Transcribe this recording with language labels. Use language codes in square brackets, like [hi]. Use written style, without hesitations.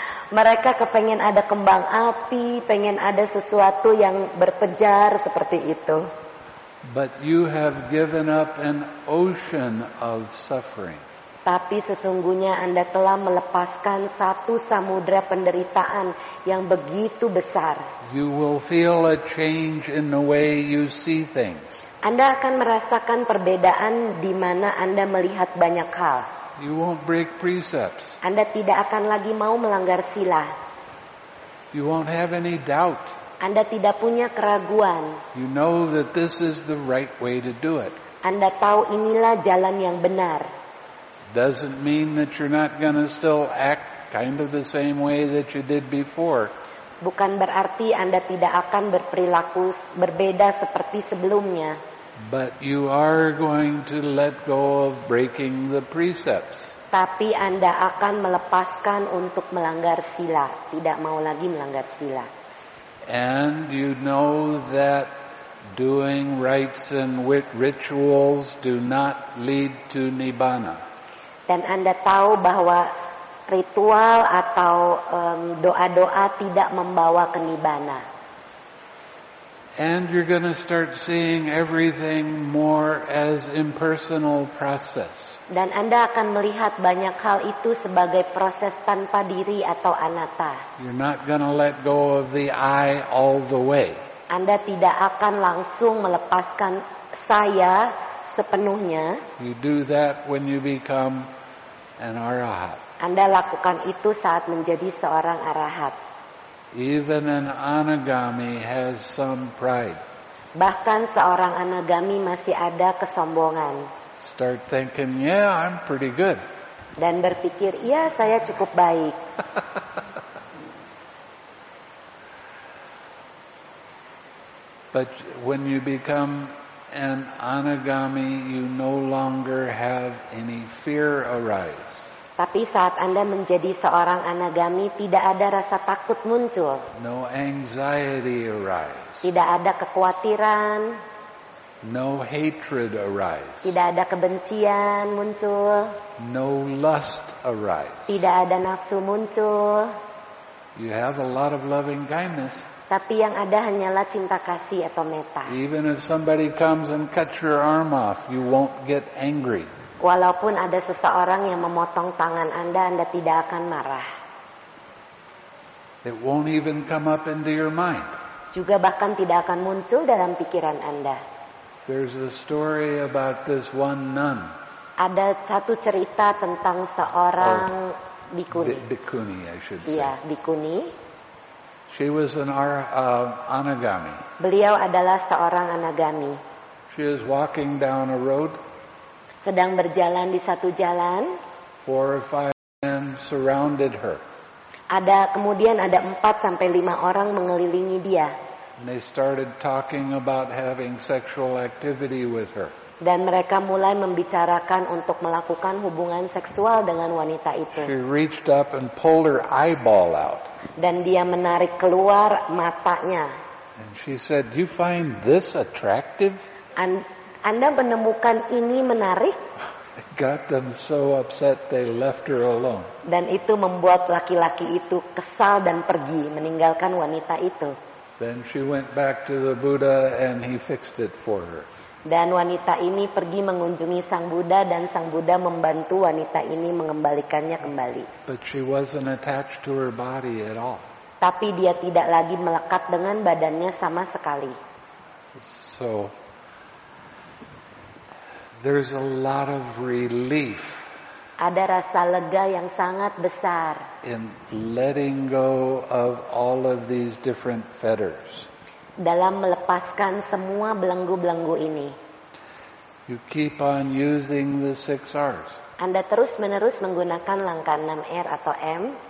[id] Mereka kepengen ada kembang api, pengen ada sesuatu yang berpejar seperti itu. [en] But you have given up an ocean of suffering. [id] Tapi sesungguhnya Anda telah melepaskan satu samudra penderitaan yang begitu besar. [en] You will feel a change in the way you see things. [id] Anda akan merasakan perbedaan di mana Anda melihat banyak hal. [en] You won't break precepts. [id] Anda tidak akan lagi mau melanggar sila. [en] You won't have any doubt. [id] Anda tidak punya keraguan. [en] You know that this is the right way to do it. [id] Anda tahu inilah jalan yang benar. [en] Doesn't mean that you're not going to still act kind of the same way that you did before. [id] Bukan berarti Anda tidak akan berperilaku berbeda seperti sebelumnya. [en] But you are going to let go of breaking the precepts. [id] Tapi Anda akan melepaskan untuk melanggar sila, tidak mau lagi melanggar sila. [en] And you know that doing rites and rituals do not lead to nibbana. [id] Dan Anda tahu bahwa ritual atau doa-doa tidak membawa ke nibbana. [en] And you're going to start seeing everything more as impersonal process. [id] Dan Anda akan melihat banyak hal itu sebagai proses tanpa diri atau anatta. [en] You're not going to let go of the I all the way. [id] Anda tidak akan langsung melepaskan saya sepenuhnya. [en] You do that when you become an arahat. [id] Anda lakukan itu saat menjadi seorang arahat. [en] Even an anagami has some pride. [id] Bahkan seorang anagami masih ada kesombongan. [en] Start thinking, yeah, I'm pretty good. [id] Dan berpikir, iya, saya cukup baik. [en] But when you become an anagami, you no longer have any fear arise. [id] Tapi saat Anda menjadi seorang anagami, tidak ada rasa takut muncul. [en] No anxiety arise. [id] Tidak ada kekhawatiran. [en] No hatred arise. [id] Tidak ada kebencian muncul. [en] No lust arise. [id] Tidak ada nafsu muncul. [en] You have a lot of loving kindness. [id] Tapi yang ada hanyalah cinta kasih atau metta. [en] Even if somebody comes and cuts your arm off, you won't get angry. [id] Walaupun ada seseorang yang memotong tangan Anda, Anda tidak akan marah. [en] It won't even come up into your mind. [id] Juga bahkan tidak akan muncul dalam pikiran Anda. [en] There's a story about this one nun. [id] Ada satu cerita tentang seorang bikuni. [en] Bikuni, I should say. [id] Iya, bikuni. [en] She was an anagami. [id] Beliau adalah seorang anagami. [en] She is walking down a road. [id] Sedang berjalan di satu jalan. [en] Four or five men surrounded her. [id] Kemudian ada 4-5 orang mengelilingi dia. [en] And they started talking about having sexual activity with her. [id] Dan mereka mulai membicarakan untuk melakukan hubungan seksual dengan wanita itu. [en] She reached up and pulled her eyeball out. [id] Dan dia menarik keluar matanya. [en] And she said, "You find this attractive?" [id] Anda menemukan ini menarik? [en] Got them so upset they left her alone. [id] Dan itu membuat laki-laki itu kesal dan pergi meninggalkan wanita itu. [en] Then she went back to the Buddha and he fixed it for her. [id] Dan wanita ini pergi mengunjungi Sang Buddha dan Sang Buddha membantu wanita ini mengembalikannya kembali. [en] But she wasn't attached to her body at all. [id] Tapi dia tidak lagi melekat dengan badannya sama sekali. [en] So there's a lot of relief. [id] Ada rasa lega yang sangat besar. [en] In letting go of all of these different fetters. [id] Dalam melepaskan semua belenggu-belenggu ini. [en] You keep on using the six R's. [id] Anda terus-menerus menggunakan langkah 6 R atau M.